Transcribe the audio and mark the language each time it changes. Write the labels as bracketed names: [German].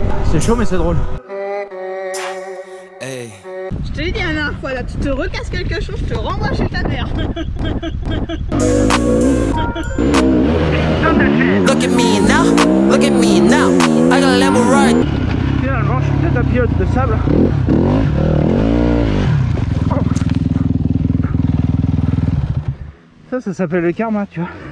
[French] C'est chaud mais c'est drôle. Hey. Je te l'ai dit la dernière fois là, tu te recasses quelque chose, je te renvoie chez ta mère. [English] Look at me now, look at me now, I got a level right. [French] Finalement, je suis peut-être un pilote de sable. Ça, ça s'appelle le karma, tu vois.